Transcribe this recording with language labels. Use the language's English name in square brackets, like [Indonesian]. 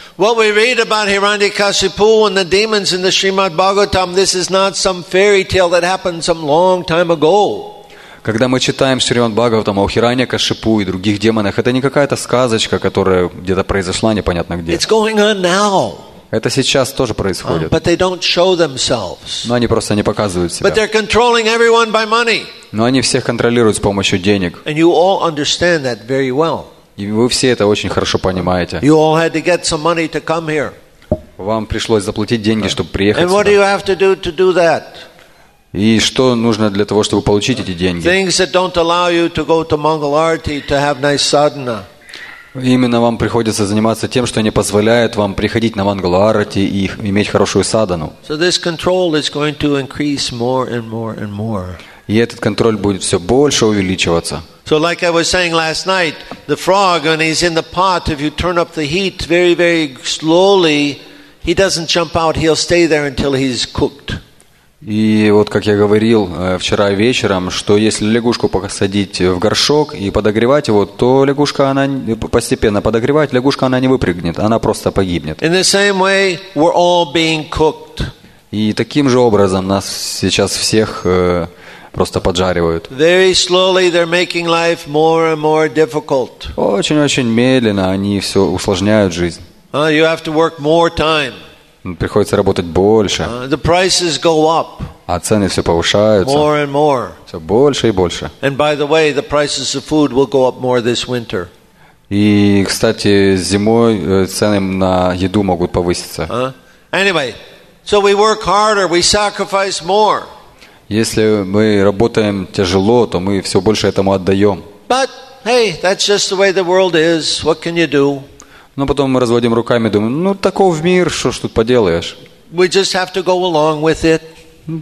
[English] What we read about Hiranyakashipu and the demons in the Srimad Bhagavatam, this is not some fairy tale that happened some long time ago. [Russian] Когда мы читаем Шримад Бхагаватам о Хираньякашипу и других демонах, это не какая-то сказочка, которая где-то произошла непонятно где. [English] It's going on now. [Russian] Это сейчас тоже происходит. [English] But they don't show themselves. [Russian] Но они просто не показывают себя. [English] But they're controlling everyone by money. [Russian] Но они всех контролируют с помощью денег. [English] And you all understand that very well. [Russian] И вы все это очень хорошо понимаете. [English] You all had to get some money to come here. [Russian] Вам пришлось заплатить деньги, чтобы приехать [English] And [Russian] сюда. [English] What do you have to do to do that? [Russian] И что нужно для того, чтобы получить эти деньги? [English] Things that don't allow you to go to Mangal Arati to have nice sadhana. [Russian] Именно вам приходится заниматься тем, что не позволяет вам приходить на Мангалуарати и иметь хорошую садхану. [English] So this control is going to increase more and more and more. [Russian] И этот контроль будет все больше увеличиваться. [English] So like I was saying last night, the frog when he's in the pot, if you turn up the heat very, very slowly, he doesn't jump out, he'll stay there until he's cooked. [Russian] И вот как я говорил вчера вечером, что если лягушку посадить в горшок и подогревать его, то лягушка, она постепенно подогревает, лягушка, она не выпрыгнет, она просто погибнет. [English] In the same way, we're all being cooked. [Russian] И таким же образом нас сейчас всех просто поджаривают. [English] Very slowly they're making life more and more difficult. [Russian] Очень-очень медленно они все усложняют жизнь. [English] You have to work more time. [Russian] Приходится работать больше. [English] The prices go up. [Russian] А цены все повышаются. [English] More and more. [Russian] Все больше и больше. [English] And by the way, the prices of food will go up more this winter. [Russian] И, кстати, зимой цены на еду могут повыситься. [English] Anyway, so we work harder, we sacrifice more. [Russian] Если мы работаем тяжело, то мы все больше этому отдаем. [English] But hey, that's just the way the world is. What can you do? [Russian] Но потом мы разводим руками и думаем, ну, таков мир, что ж тут поделаешь. [English] We just have to go along with it.